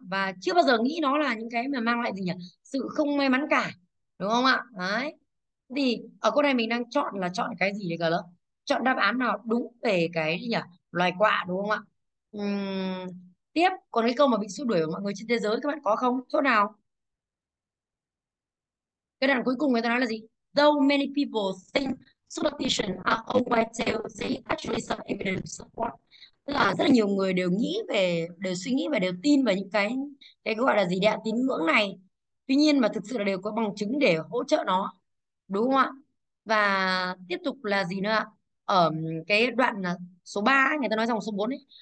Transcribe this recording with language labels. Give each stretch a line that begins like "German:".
Vietnamese: Và chưa bao giờ nghĩ nó là những cái mà mang lại gì nhỉ? Sự không may mắn cả. Đúng không ạ? Đấy. Thì ở câu này mình đang chọn là chọn cái gì đấy cả lớp? Chọn đáp án nào đúng về cái gì nhỉ? Loài quạ đúng không ạ? Tiếp, còn cái câu mà bị xua đuổi của mọi người trên thế giới các bạn có không? Chỗ nào? Cái đoạn cuối cùng người ta nói là gì?
English: Though many people think superstition are old wives' tales, they actually some evidence support.
Vietnamese: Tức là rất là nhiều người đều nghĩ về, đều suy nghĩ và đều tin vào những cái gọi là gì đấy, tín ngưỡng này. Tuy nhiên mà thực sự là đều có bằng chứng để hỗ trợ nó. Đúng không ạ? Và tiếp tục là gì nữa ạ? Ở cái đoạn số 3 ấy, người ta nói dòng số 4 ấy.